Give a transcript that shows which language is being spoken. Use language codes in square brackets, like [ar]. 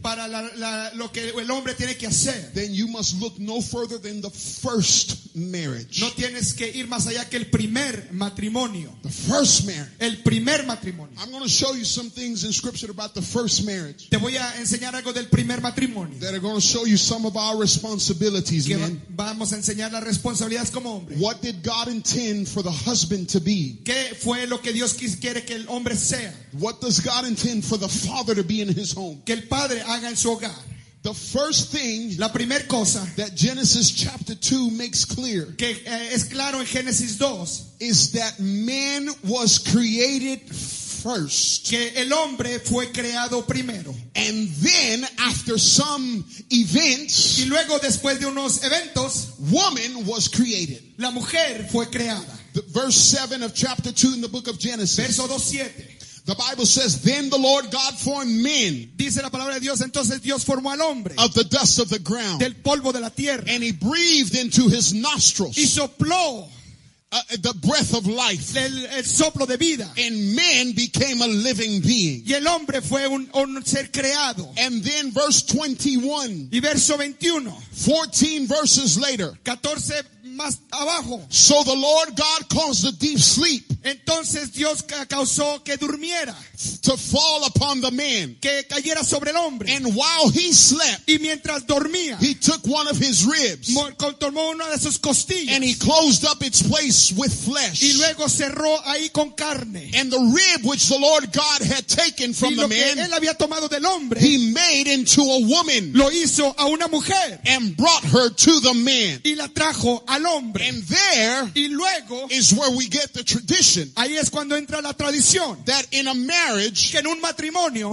[es] para lo que el hombre tiene que hacer, [en] then you must look no further than the first marriage. [es] No tienes que ir más allá que el primer matrimonio. [en] The first marriage. [es] El primer matrimonio. [en] I'm going to show you some things in scripture about the first marriage. [es] Te voy a enseñar algo del primer matrimonio. [en] That are going to show you some of our responsibilities, man. [es] Vamos a enseñar las responsabilidades como hombre. [en] What did God intend for the husband to be? [es] ¿Qué fue lo que Dios quiere que el hombre sea? [en] What does God intend for the father to be in his home? [es] Que el padre haga en su hogar. [en] The first thing, [es] la primer cosa, [en] that Genesis chapter 2 makes clear, [es] que es claro en Génesis 2, [en] is that man was created first. [es] Que el hombre fue creado primero. [en] And then after some events, [es] y luego después de unos eventos, [en] woman was created. [es] La mujer fue creada. [en] Verse 7 of chapter 2 in the book of Genesis. [es] Verso 2:7. [en] The Bible says, then the Lord God formed men. [es] Dice la palabra de Dios, entonces Dios formó al hombre. [en] Of the dust of the ground. [es] Del polvo de la tierra. [en] And he breathed into his nostrils. [es] Y sopló. [en] The breath of life. [es] El soplo de vida. [en] And man became a living being. [es] Y el hombre fue un ser creado. [en] And then verse 21. [es] Y verso 21. [en] 14 verses later. [es] 14 más abajo. [en] So the Lord God caused a deep sleep. [es] Entonces Dios causó que durmiera. [en] To fall upon the man. [es] Que cayera sobre el hombre. [en] And while he slept. [es] Y mientras dormía. [en] He took one of his ribs. [es] Tomó una de sus costillas. [en] And he closed up its place with flesh. [es] Y luego cerró ahí con carne. [en] And the rib which the Lord God had taken from the man. [es] Y lo que él había tomado del hombre. [en] He made into a woman. [es] Lo hizo a una mujer. [en] And brought her to the man. [es] Y la trajo al hombre. [en] And there. [es] Y luego. [en] Is where we get the tradition. [es] Ahí es cuando entra la tradición. [en] That in a marriage, [es] que en un matrimonio,